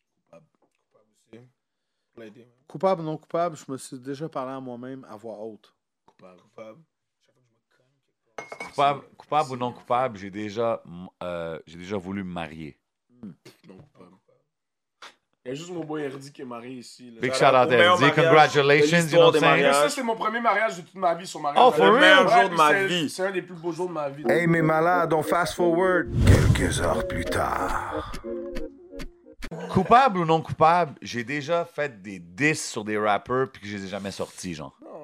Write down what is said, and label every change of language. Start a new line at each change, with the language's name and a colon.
French: Coupable aussi. Coupable ou non coupable, je me suis déjà parlé à moi-même à voix haute. Coupable. Coupable ou non coupable, j'ai déjà voulu me marier. Il y a juste mon boy Erdi qui est marié ici. Là.
English: Big shout out Erdi, congratulations, you know what I'm saying?
French: Ça, c'est mon premier mariage de toute ma vie, son mariage.
English: Oh, for real?
French: C'est un des plus beaux jours de ma vie. Hey, mes malades,
English: on fast forward.
French: Quelques heures plus tard. Coupable ou non coupable, j'ai déjà fait des diss sur des rappers puis que je les ai jamais sortis, genre.